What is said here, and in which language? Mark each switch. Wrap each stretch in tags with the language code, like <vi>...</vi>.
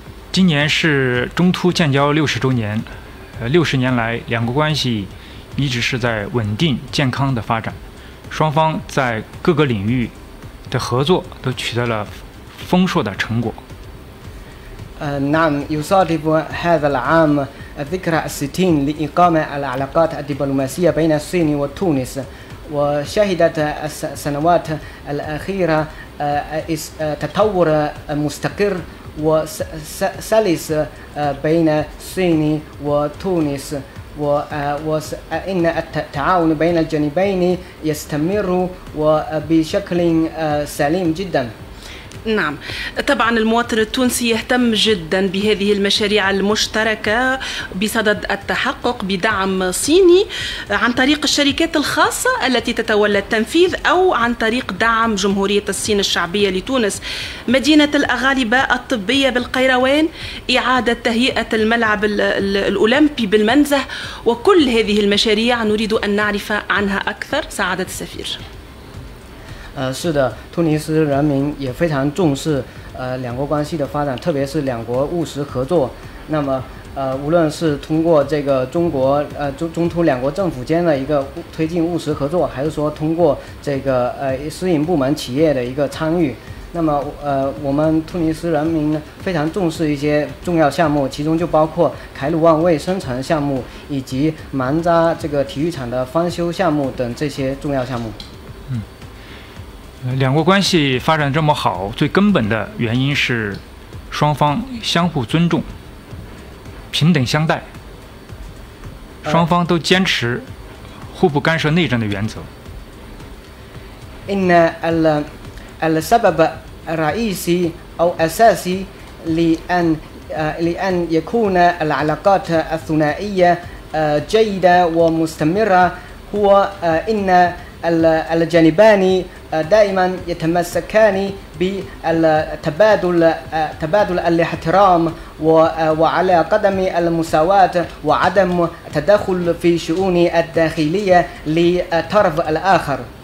<zh>今年是中突建交60周年，60年来两国关系一直是在稳定健康的发展，双方在各个领域的合作都取得了丰硕的成果。</zh> <ar>نعم يصادف هذا العام ذكرى 60 لإقامة العلاقات الدبلوماسية بين الصين وتونس، وشهدت السنوات الأخيرة تطور مستقر وسلس بين الصين وتونس، وإن التعاون بين الجانبين يستمر بشكل سليم جدا. نعم طبعا المواطن التونسي يهتم جدا بهذه المشاريع المشتركة بصدد التحقق بدعم صيني عن طريق الشركات الخاصة التي تتولى التنفيذ أو عن طريق دعم جمهورية الصين الشعبية لتونس. مدينة الأغالبة الطبية بالقيروان، إعادة تهيئة الملعب الأولمبي بالمنزه، وكل هذه المشاريع نريد أن نعرف عنها أكثر سعادة السفير.</ar> <zh>是的，突尼斯人民也非常重视两国关系的发展，特别是两国务实合作。那么无论是通过这个中突两国政府间的一个推进务实合作，还是说通过这个私营部门企业的一个参与，那么我们突尼斯人民非常重视一些重要项目，其中就包括凯鲁万卫生城项目以及蛮扎这个体育场的翻修项目等这些重要项目。两国关系发展这么好，最根本的原因是双方相互尊重，平等相待，双方都坚持互不干涉内政的原则。</zh> <ar>إن السبب الرئيسي أو أساسي لأن يكون العلاقات الثنائية جيدة ومستمرة هو إن الجانبان دائما يتمسكان بالتبادل الاحترام وعلى قدم المساواة وعدم التدخل في شؤون الداخلية للطرف الآخر.</ar>